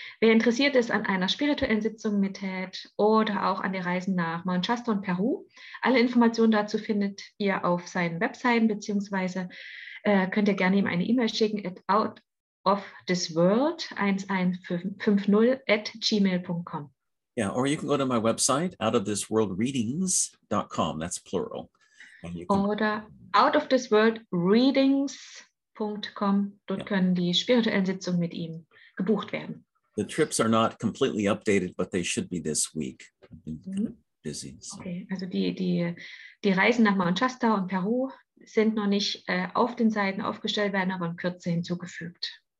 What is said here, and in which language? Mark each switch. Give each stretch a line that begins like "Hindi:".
German: Wer interessiert ist an einer spirituellen Sitzung mit Ted oder auch an den Reisen nach Mount Shasta und Peru, alle Informationen dazu findet ihr auf seinen Webseiten, beziehungsweise könnt ihr gerne ihm eine E-Mail schicken at outofthisworld1150@gmail.com.
English: Yeah, or you can go to my website, outofthisworldreadings.com, that's plural.
German: Oder outofthisworldreadings.com. www.radiosolaustria.com. Dort können die spirituellen Sitzungen mit ihm gebucht werden.
English: The trips are not completely updated, but they should be this week. I've been kind of busy. So.
German: Okay, also die Reisen nach Mount Shasta und Peru sind noch nicht auf den Seiten aufgestellt, werden aber in Kürze hinzugefügt.